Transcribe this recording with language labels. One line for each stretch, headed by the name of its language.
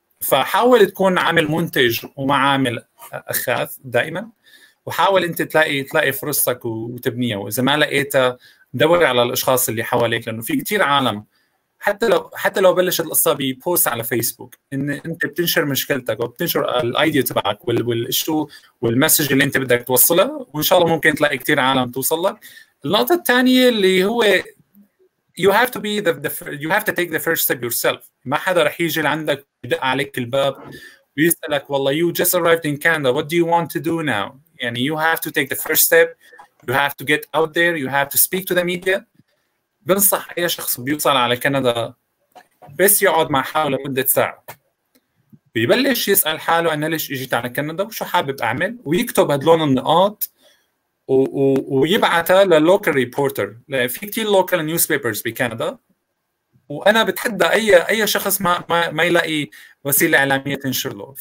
Arabic: فحاول تكون عامل منتج وما عامل اخاذ دائما، وحاول انت تلاقي فرصتك وتبنيها، واذا ما لقيتها دور على الاشخاص اللي حواليك، لانه في كتير عالم حتى لو بلشت القصه ببوست على فيسبوك، ان انت بتنشر مشكلتك وبتنشر الايديا تبعك والشو والمسج اللي انت بدك توصله، وان شاء الله ممكن تلاقي كتير عالم توصل لك. النقطه الثانيه اللي هو
English: you have to take the first step yourself.
Arabic: ما حدا رح يجي لعندك يدق عليك الباب ويسألك والله
English: you just arrived in Canada, what do you want to do now?
Arabic: يعني
English: you have to take the first step, you have to get out there, you have to speak to the media.
Arabic: بنصح أي شخص بيوصل على كندا بس يقعد مع حاله لمدة ساعة بيبلش يسأل حاله أنا ليش إجيت على كندا وشو حابب أعمل ويكتب هدلون النقاط ويبعتها للوكال ريبورتر. في كتير لوكال نيوز بيبرز بكندا وأنا بتحدى أي شخص ما يلاقي وسيلة إعلامية تنشر له.